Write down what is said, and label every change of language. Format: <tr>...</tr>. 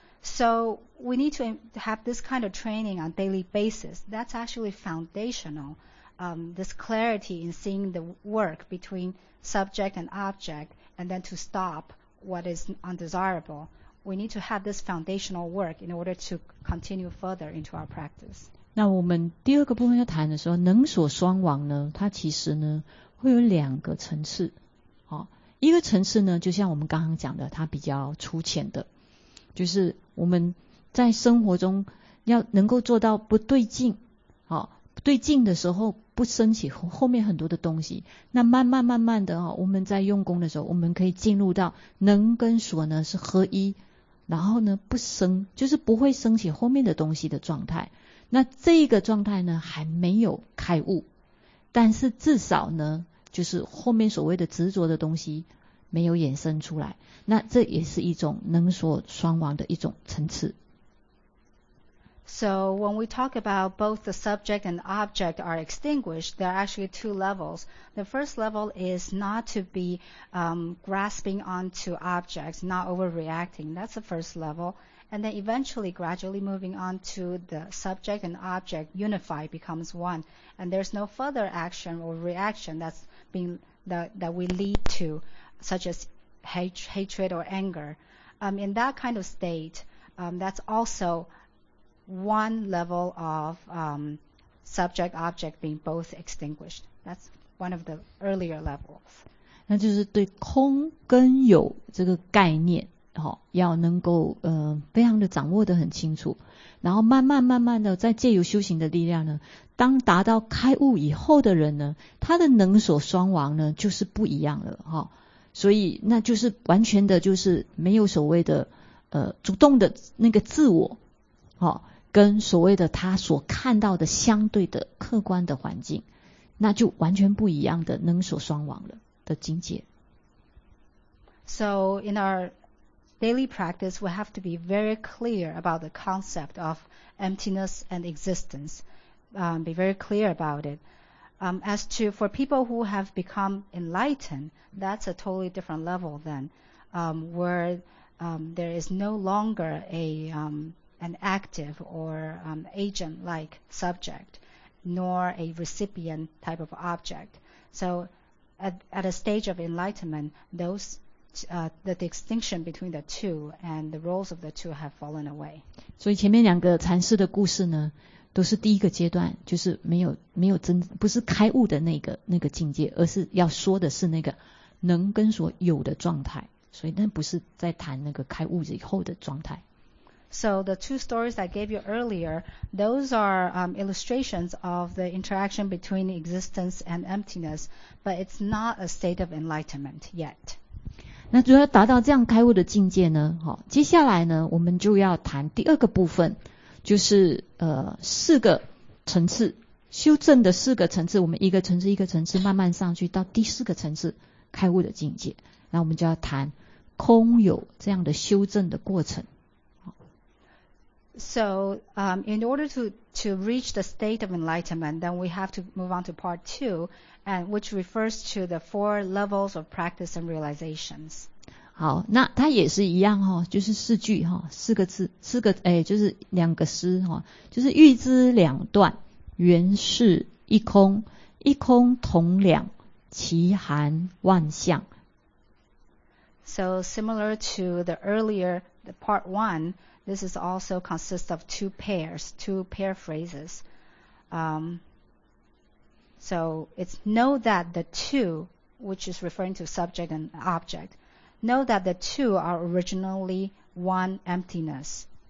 <en>So we need to have this kind of training on a daily basis. That's actually foundational, this clarity in seeing the work between subject and object, and then to stop what is undesirable. We need to have this foundational work in order to continue further into our practice.</en> <zh>那我们第二个部分要谈的时候，能所双亡呢，它其实呢会有两个层次。好，一个层次呢，就像我们刚刚讲的，它比较粗浅的，就是我们在生活中要能够做到不对劲，好，不对劲的时候不升起后面很多的东西，那慢慢慢慢的，我们在用功的时候，我们可以进入到能跟所呢是合一，然后呢不升，就是不会升起后面的东西的状态。那这个状态呢还没有开悟，但是至少呢就是后面所谓的执着的东西没有衍生出来，那这也是一种能所双亡的一种层次。</zh> <en>So when we talk about both the subject and object are extinguished, there are actually two levels. The first level is not to be grasping onto objects, not overreacting. That's the first level. And then eventually, gradually moving on to the subject and object unified becomes one. And there's no further action or reaction that's being, that we lead to, such as hatred or anger. In that kind of state, that's also one level of subject-object being both extinguished. That's one of the earlier levels.</en> <zh>那就是对空跟有这个概念，要能够非常的掌握得很清楚，然后慢慢慢慢的在藉由修行的力量呢，当达到开悟以后的人呢，他的能所双亡呢就是不一样了，所以那就是完全的就是没有所谓的主动的那个自我，跟所谓的他所看到的相对的客观的环境，那就完全不一样的能所双亡了的境界。</zh> <en>So in our daily practice, we have to be very clear about the concept of emptiness and existence, be very clear about it. As to for people who have become enlightened, that's a totally different level than where there is no longer an active or agent-like subject, nor a recipient type of object. So at a stage of enlightenment, the distinction between the two and the roles of the two have fallen away.</en> <zh>所以前面两个禅师的故事呢，都是第一个阶段，就是没有真，不是开悟的那个境界，而是要说的是那个能跟所有的状态，所以那不是在谈那个开悟以后的状态。</zh> <en>So the two stories I gave you earlier, those are illustrations of the interaction between existence and emptiness, but it's not a state of enlightenment yet.</en> <zh>那如果要达到这样开悟的境界呢，接下来呢我们就要谈第二个部分，就是四个层次，修正的四个层次，我们一个层次一个层次慢慢上去到第四个层次开悟的境界，那我们就要谈空有这样的修正的过程。</zh> <en>So in order to reach the state of enlightenment, then we have to move on to part two, and which refers to the four levels of practice and realizations.</en> <zh>好，那它也是一样，就是四句，四个字，四个就是两个诗，就是欲知两断，原是一空，一空同两，其含万象。</zh> <en>So similar to the earlier the part one,This is also consists of two pair phrases. So it's know that the two, which is referring to subject and object, know that the two are originally one emptiness.</en>